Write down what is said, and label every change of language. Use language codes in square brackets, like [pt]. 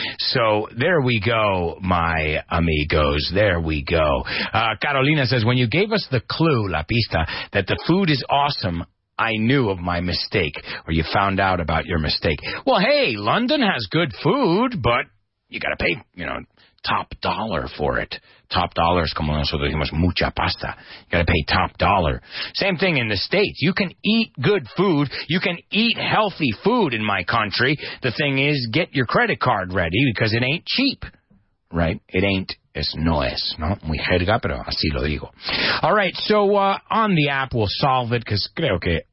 [en] So there we go, my amigos. There we go. Carolina says, when you gave us the clue, [es] la pista, [en] that the food is awesome, I knew of my mistake, or you found out about your mistake. Well, hey, London has good food, but you got to pay, you know, top dollar for it. [es] Top dollar es como nosotros decimos, mucha pasta. [en] You got to pay top dollar. Same thing in the States. You can eat good food. You can eat healthy food in my country. The thing is, get your credit card ready, because it ain't cheap, right? It ain't. [es] Es no es, no muy jerga, pero así lo digo. [en] All right, so on the app, we'll solve it, because [es] creo que